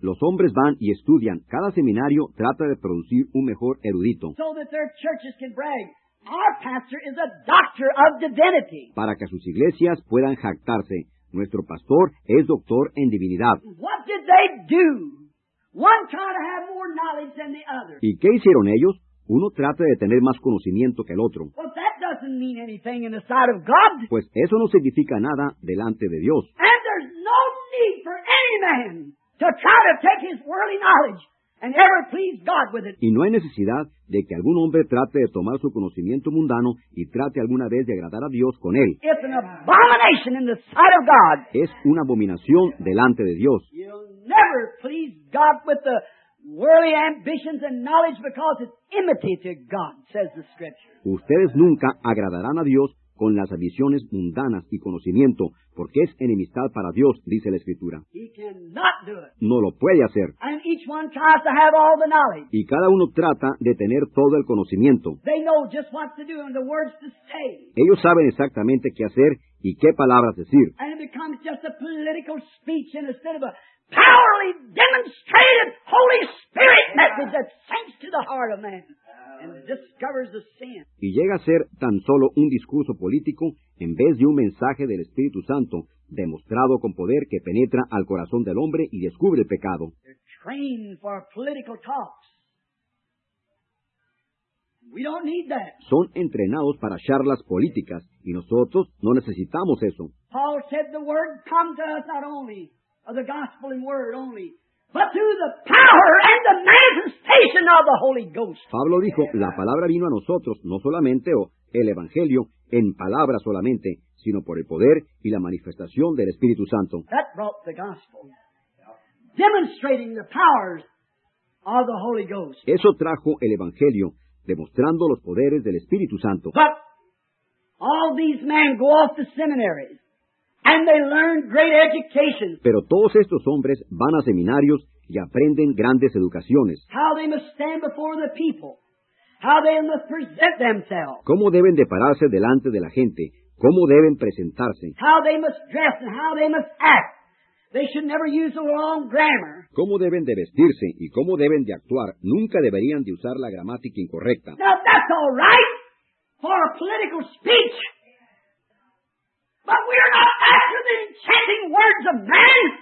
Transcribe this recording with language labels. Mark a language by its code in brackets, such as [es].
[es] Los hombres van y estudian. Cada seminario trata de producir un mejor erudito. [en] So that their churches can brag. Our pastor is a doctor of divinity. [es] Para que sus iglesias puedan jactarse. Nuestro pastor es doctor en divinidad. [en] What did they do? One tried to have more knowledge than the other. [es] ¿Y qué hicieron ellos? Uno trata de tener más conocimiento que el otro. [en] Well, that doesn't mean anything in the sight of God. [es] Pues eso no significa nada delante de Dios. [en] And there's no need for any man to try to take his worldly knowledge and ever please God with it. [es] Y no hay necesidad de que algún hombre trate de tomar su conocimiento mundano y trate alguna vez de agradar a Dios con él. [en] It's an abomination in the sight of God. [es] Es una abominación delante de Dios. [en] You'll never please God with the worldly ambitions and knowledge because it's enmity to God, says the scripture. [es] Ustedes nunca agradarán a Dios con las ambiciones mundanas y conocimiento, porque es enemistad para Dios, dice la Escritura. [en] He cannot do it. [es] No lo puede hacer. [en] And each one tries to have all the knowledge. [es] Y cada uno trata de tener todo el conocimiento. [en] They know just what to do and the words to say. [es] Ellos saben exactamente qué hacer y qué palabras decir. [en] And it becomes just a political speech instead of a powerfully demonstrated Holy Spirit message that sinks to the heart of man. And discovers the sin. [es] Y llega a ser tan solo un discurso político en vez de un mensaje del Espíritu Santo demostrado con poder que penetra al corazón del hombre y descubre el pecado. [en] They're trained for political talks. We don't need that. [es] Son entrenados para charlas políticas y nosotros no necesitamos eso. [en] Paul said the word come to us not only of the gospel in word only, but through the power and the manifestation of the Holy Ghost. [es] Pablo dijo, la palabra vino a nosotros, no solamente, o el Evangelio, en palabra solamente, sino por el poder y la manifestación del Espíritu Santo. [en] That brought the gospel, demonstrating the powers of the Holy Ghost. [es] Eso trajo el Evangelio, demostrando los poderes del Espíritu Santo. [en] But all these men go off to seminaries. And they learn great education. [es] Pero todos estos hombres van a seminarios y aprenden grandes educaciones. [en] How they must stand before the people. How they must present themselves. [es] Cómo deben de pararse delante de la gente. Cómo deben presentarse. [en] How they must dress and how they must act. They should never use the wrong grammar. [es] Cómo deben de vestirse y cómo deben de actuar. Nunca deberían de usar la gramática incorrecta. [en] Now that's all right for a political speech. But we are not after the enchanting words of man.